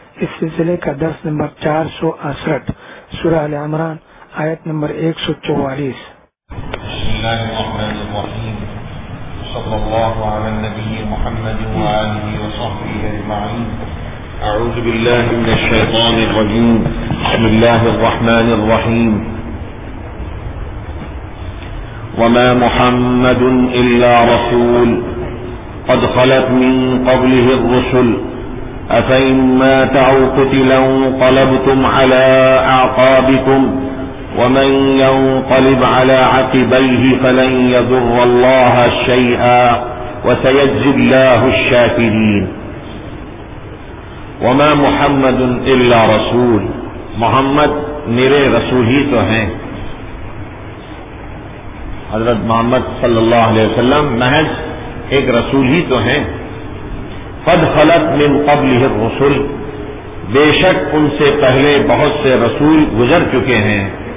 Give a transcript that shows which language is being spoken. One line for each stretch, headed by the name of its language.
Urdu: اس سلسلے کا درس نمبر 468 سورہ ال عمران آیت نمبر 144.
Arabic: بسم الله الرحمن الرحيم، صلى الله على النبي محمد وآله وصحبه اجمعين. اعوذ بالله من الشيطان الرجيم. بسم الله الرحمن الرحيم. وما محمد الا رسول قد خلت من قبله الرسل افان مات او قتل انقلبتم على اعقابكم ومن ينقلب على عقبيه فلن يضر الله شيئا وسيجزي الله الشاكرين. وما محمد الا رسول،
Urdu: محمد میرے رسول ہی تو ہیں. حضرت محمد صلی اللہ علیہ وسلم محض ایک رسول ہی تو ہیں.
Arabic: قد خلت من قبلہ الرسل،
Urdu: بے شک ان سے پہلے بہت سے رسول گزر چکے ہیں.